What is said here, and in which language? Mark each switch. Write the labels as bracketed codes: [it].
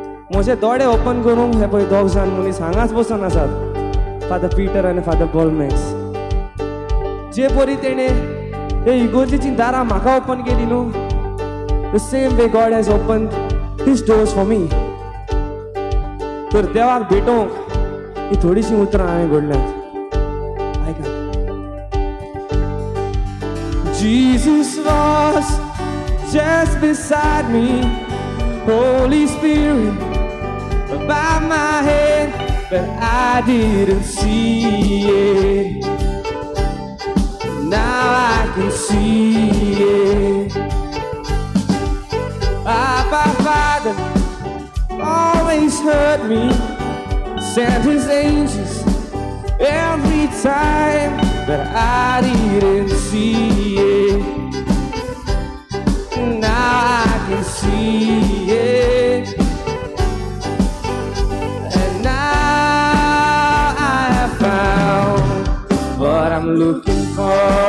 [gom] म्हजे दोळे ओपन करूंक हे पळय दोग जाण मनीस हांगाच बसून आसात फादर पीटर आनी फादर पॉल मॅक्स जे परी तेणे हे इगोर्जीची दारां म्हाका ओपन केली [en] न्हू the same way God has open his doors for me [gom] तर देवाक भेटूंक ही थोडीशी उतरां हांवें घडल्यात आयका [en] Jesus was just beside me holy spirit by my hand but I didn't see it now I can see it Abba father always heard me Sent his angels every time, but I didn't see it. Now I can see it. And now I have found what I'm looking for.